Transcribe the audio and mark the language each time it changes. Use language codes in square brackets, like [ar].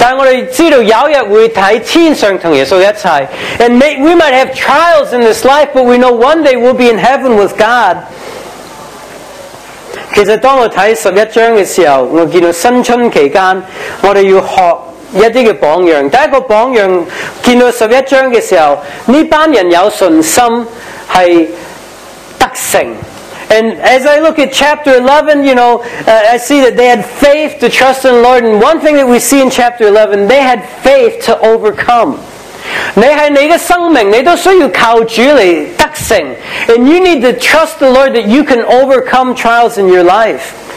[zh] 我们一样呢，我们这个地上呢，我们面对好多的挑战，但我们知道有一日会在天上同耶稣一齐。 [en] And we might have trials in this life, but we know one day we'll be in heaven with God. [zh] 其实当我睇十一章嘅时候，我见到新春期间，我哋要学一啲嘅榜样。第一个榜样，见到十一章嘅时候，呢班人有信心系得胜。 [en] And as I look at chapter 11, you know, I see that they had faith to trust in the Lord. And one thing that we see in chapter 11, they had faith to overcome. [zh] 你是你的生命，你都需要靠主来得胜。 [en] And you need to trust the Lord that you can overcome trials in your life.